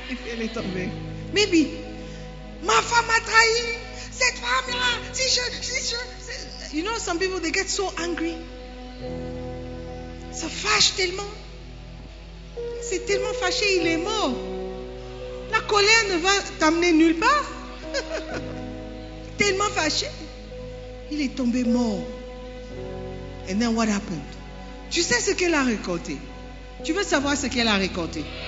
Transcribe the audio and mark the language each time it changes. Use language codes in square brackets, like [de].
[fr] Elle est tombée. Maybe ma femme a trahi cette femme là. Si je, [en] you know, some people they get so angry. [fr] Ça fâche tellement. C'est tellement fâché, il est mort. La colère ne va t'amener nulle part. Tellement fâché. Il est tombé mort. [en] And then what happened? [fr] Tu sais ce qu'elle a récolté? Tu veux savoir ce qu'elle a récolté?